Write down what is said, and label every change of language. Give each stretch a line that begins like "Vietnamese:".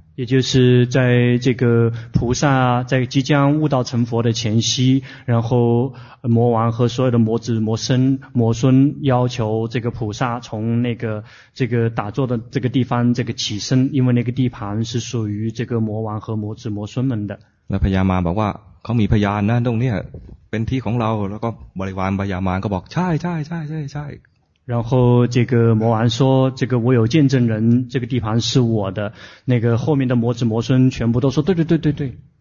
Chinese: 也就是在这个菩萨在即将悟道成佛的前夕然后魔王和所有的魔子魔孙要求这个菩萨从那个这个打坐的这个地方这个起身因为那个地盘是属于这个魔王和魔子魔孙们的
Thai: 那พญามารบอกว่าเขามีพยานนะตรงนี้เป็นที่ของเราแล้วก็บริวารพญามารก็บอกใช่ใช่ใช่ใช่ใช่
Chinese: 然后这个魔王说这个我有见证人这个地盘是我的那个后面的魔子魔孙全部都说对对对对对